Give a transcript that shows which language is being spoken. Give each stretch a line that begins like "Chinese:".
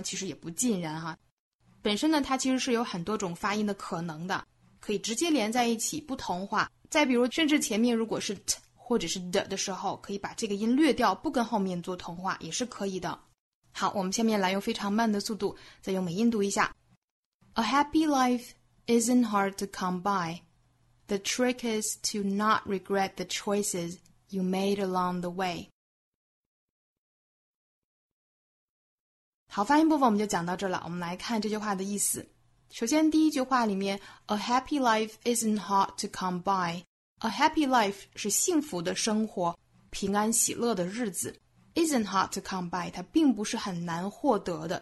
Chinese: 其实也不尽然哈。本身呢，它其实是有很多种发音的可能的，可以直接连在一起不同化。再比如，甚至前面如果是 t 或者是 the 的时候，可以把这个音略掉，不跟后面做同化也是可以的。好，我们下面来用非常慢的速度再用美音读一下。
English: A happy life isn't hard to come by. The trick is to not regret the choices you made along the way.
Chinese: 好，发音部分我们就讲到这了，我们来看这句话的意思。首先第一句话里面
English: A happy life isn't hard to come by. A happy life
Chinese: 是幸福的生活，平安喜乐的日子。
English: Isn't hard to come by,
Chinese: 它并不是很难获得的。